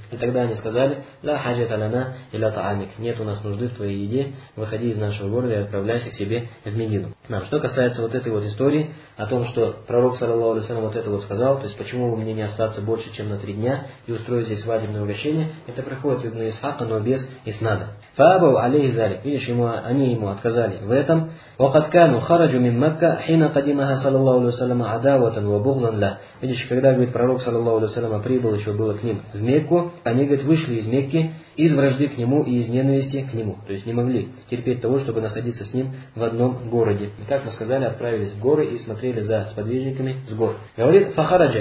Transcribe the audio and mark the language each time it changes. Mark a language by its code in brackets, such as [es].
[ru] И тогда они сказали, [ar] «Ла хаджата лана и ла таамик». [ru] «Нет у нас нужды в твоей еде, выходи из нашего города и отправляйся к себе в Медину». Нам, что касается вот этой вот истории о том, что пророк, саллаллаху алейхи ва саллям, вот это вот сказал, то есть почему бы мне не остаться больше, чем на три дня и устроить здесь свадебное угощение, это приходит Ибн Исхака, но без иснада. [ar] «Фаабау алейхи зарик». [ru] Видишь, они ему отказали в этом. [ar] وقد كانوا خرجوا من مكة حين قدمها صلى الله عليه وسلم عداوة وبغضا له. [ru] Видишь, когда говорит пророк, саллаллаху алейхи ва саллям, прибыл, еще было к ним в Мекку, они, говорит, вышли из Мекки из вражды к нему и из ненависти к нему. То есть не могли терпеть того, чтобы находиться с ним в одном городе. И как мы сказали, отправились в горы и смотрели за сподвижниками с гор. Говорит, фахараджа.